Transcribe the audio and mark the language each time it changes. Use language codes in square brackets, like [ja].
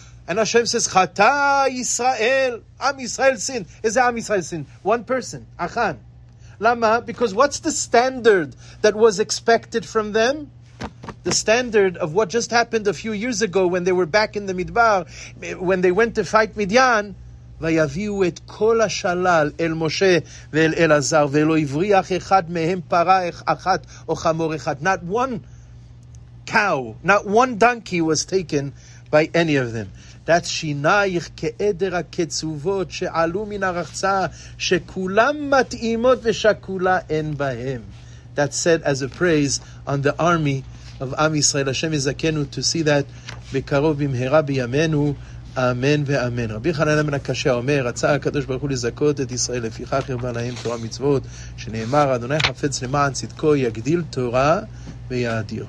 [en] And Hashem says, Chata Yisrael, Am Yisrael sin. Is it Am Yisrael sin? One person, Achan. Lama? Because what's the standard that was expected from them? The standard of what just happened a few years ago when they were back in the Midbar, when they went to fight Midian. [he] ויביאו את כל השלל אל משה ואל אלעזר, ולא יבריח אחד מהם פרה אחת או חמור אחד. [en] Not one cow, not one donkey was taken by any of them. [he] That's שינייך כעדר הקצובות שעלו מן הרחצה, שכולם מתאימות ושקולה אין בהם. [en] That said as a praise on the army of Am Yisrael. Hashem יזכנו to see that [he] בקרוב במהרה בימינו. אמן ואמן. רבי חנן בן הקשה אומר, רצה הקדוש ברוך הוא לזכות את ישראל, לפיכך הרבה להם תורה מצוות, שנאמר, אדוני חפץ למען צדקו, יגדיל תורה ויאדיר.